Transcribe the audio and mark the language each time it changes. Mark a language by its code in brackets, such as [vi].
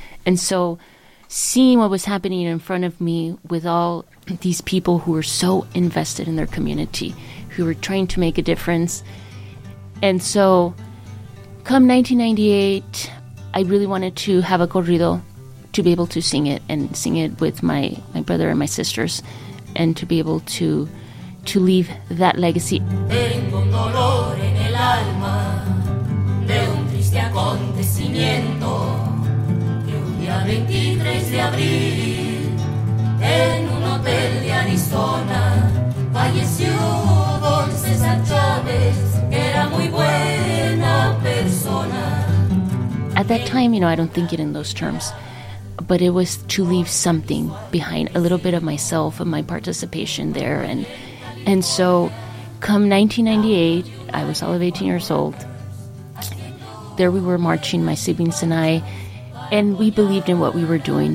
[en] And so seeing what was happening in front of me with all these people who were so invested in their community, who were trying to make a difference. And so come 1998, I really wanted to have a corrido to be able to sing it with my brother and my sisters, and to be able to leave that legacy. [es] Tengo un dolor en el alma de un triste acontecimiento que un día 23 de abril en un hotel de Arizona falleció Don César Chávez, que era muy buena persona. [en] At that time, you know, I don't think it in those terms, but it was to leave something behind, a little bit of myself and my participation there. And so come 1998, I was all of 18 years old. There we were marching, my siblings and I, and we believed in what we were doing.